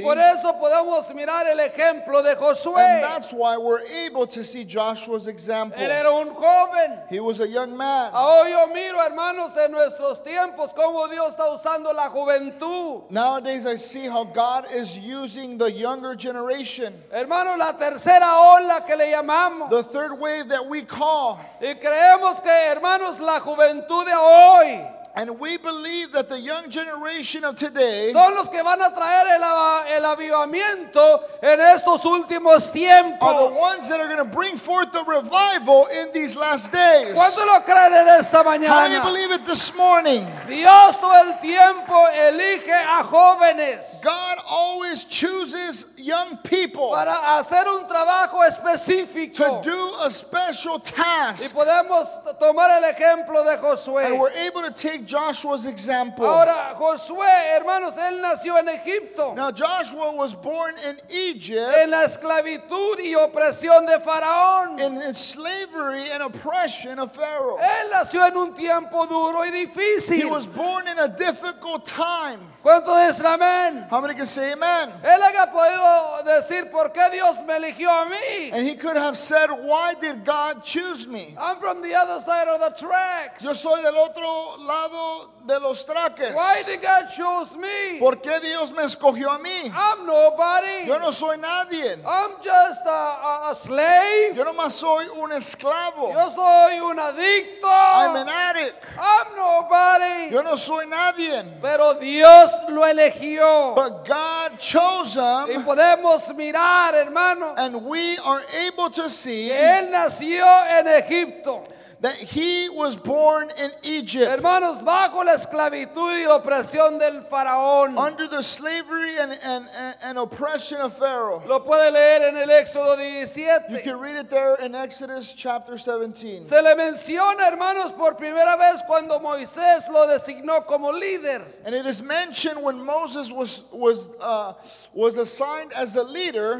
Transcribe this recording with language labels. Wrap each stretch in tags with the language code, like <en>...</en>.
<es>Y por eso podemos mirar el ejemplo de Josué.</es> <en>And that's why we're able to see Joshua's example.</en> <es>Él era un joven.</es> <en>He was a young man.</en> <es>Hoy yo miro, hermanos, en nuestros tiempos cómo Dios está usando la juventud.</es> <en>Nowadays I see how God is using the younger generation.</en> <es>Hermano, la tercera ola que le llamamos.</es> <en>The third wave that we call.</en> <es>Y creemos que, hermanos, la juventud de hoy.</es> <en>And we believe that the young generation of today</en> <es>son los que van a traer el avivamiento en estos últimos tiempos.</es> <en>Are the ones that are going to bring forth the revival in these last days.</en> <es>¿Cuánto lo creen en esta mañana?</es> <en>How do you believe it this morning?</en> <es>Dios todo el tiempo elige a jóvenes.</es> <en>God always chooses young people</en> <es>para hacer un trabajo específico.</es> <en>To do a special task.</en> <es>Y podemos tomar el ejemplo de Josué.</es> <en>And we're able to take Joshua's example.</en> <es>Ahora, Josué, hermanos, él nació en Egipto.</es> <en>Now Joshua was born in Egypt.</en> <es>En la esclavitud y opresión de Faraón.</es> <en>In slavery and oppression of Pharaoh.</en> <es>Él nació en un tiempo duro y difícil.</es> <en>He was born in a difficult time.</en> <es>¿Cuántos dicen amén?</es> <en>How many can say amen?</en> <es>Él haya podido decir por qué Dios me eligió a mí.</es> <en>And he could have said, why did God choose me? I'm from the other side of the tracks.</en> <es>Yo soy del otro lado lado de los traques.</es> <en>Why did God choose me?</en> <es>¿Por qué Dios me escogió a mí?</es> <en>I'm nobody.</en> <es>Yo no soy nadie.</es> <en>I'm just a slave.</en> <es>Yo nomás soy un esclavo. Yo soy un adicto.</es> <en>I'm an addict. I'm nobody.</en> <es>Yo no soy nadie. Pero Dios lo eligió.</es> <en>But God chose him.</en> <es>Y podemos mirar, hermano.</es> <en>And we are able to see.</en> <es>Que él nació en Egipto.</es> <en>That he was born in Egypt.</en> <es>Hermanos, bajo la esclavitud y la opresión del faraón.</es> <en>Under the slavery and oppression of Pharaoh.</en> <es>Lo puede leer en el Éxodo 17.</es> <en>You can read it there in Exodus chapter 17.</en> <es>Se le menciona, hermanos, por primera vez cuando Moisés lo designó como líder.</es> <en>And it is mentioned when Moses was assigned as a leader.</en>